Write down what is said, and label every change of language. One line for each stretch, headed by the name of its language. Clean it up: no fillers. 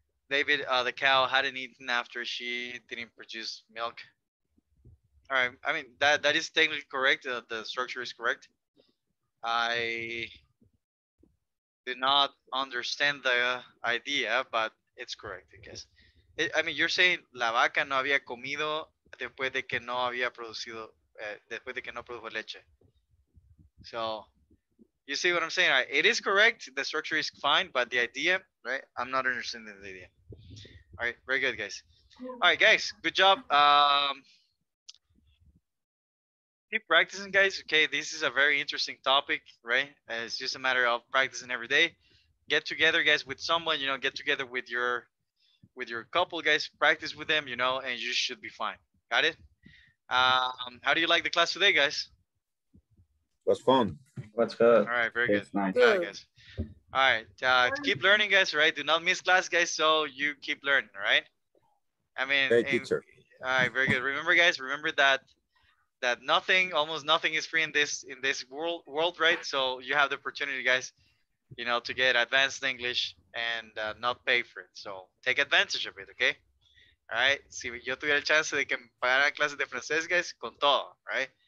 English: David, the cow hadn't eaten after she didn't produce milk. All right, I mean, that is technically correct. The structure is correct. I do not understand the idea, but it's correct, I guess. I mean, you're saying
Spanish: la vaca no había comido después de que no había producido, después de que no produjo leche.
English: So, you see what I'm saying? Right? It is correct. The structure is fine, but the idea, right? I'm not understanding the idea. All right. Very good, guys. All right, guys. Good job. Keep practicing, guys. Okay. This is a very interesting topic, right? It's just a matter of practicing every day. Get together, guys, with someone, you know, get together with your couple, guys, practice with them, you know, and you should be fine. Got it? How do you like the class today, guys? It was fun. What's good? All right, very good. Nice. All right, guys. All right, keep learning, guys, right? Do not miss class, guys, so you keep learning, right? I mean, hey, teacher. All right, very good. Remember, guys, remember that nothing, almost nothing is free in this world, right? So you have the opportunity, guys, you know, to get advanced English and not pay for it. So take advantage of it, okay? All right.
Spanish: Si yo tuviera el chance de que me pagaran clases de francés, guys, con todo,
English: right?